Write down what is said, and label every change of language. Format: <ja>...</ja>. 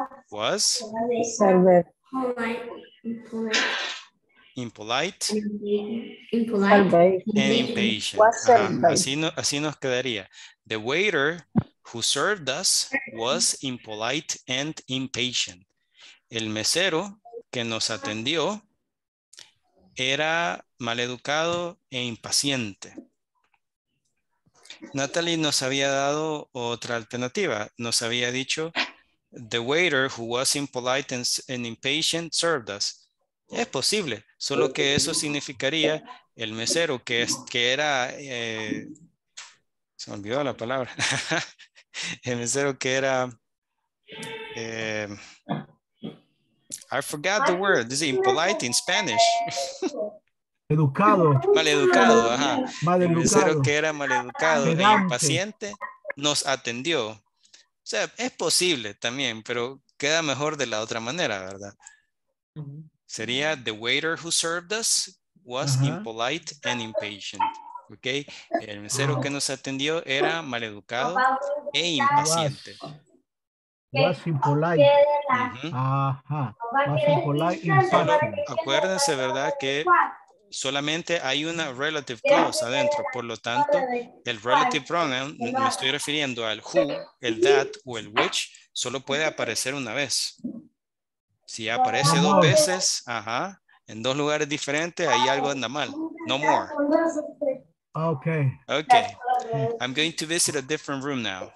<en>Was. Served. Impolite. And impatient.</en> <es>Así nos quedaría.</es> <en>The waiter who served us was impolite and impatient.</en> <es>El mesero que nos atendió era maleducado e impaciente. Natalie nos había dado otra alternativa. Nos había dicho,</es> <en>the waiter who was impolite and impatient served us.</en> <es>Es posible, solo que eso significaría el mesero maleducado. El mesero que era maleducado e impaciente nos atendió. O sea, es posible también, pero queda mejor de la otra manera, ¿verdad? Sería</es> <en>the waiter who served us was impolite and impatient. Ok.</en> <es>El mesero que nos atendió era maleducado e impaciente.</es> <en>Was impolite. Was impolite.</en> <es>Bueno, acuérdense, ¿verdad? Que solamente hay una relative clause adentro. Por lo tanto, el relative pronoun, me estoy refiriendo al who, el that o el which, solo puede aparecer una vez. Si aparece dos veces, ajá, en dos lugares diferentes, ahí algo anda mal.</es> <en>No more. Okay. Okay. I'm going to visit a different room now.</en>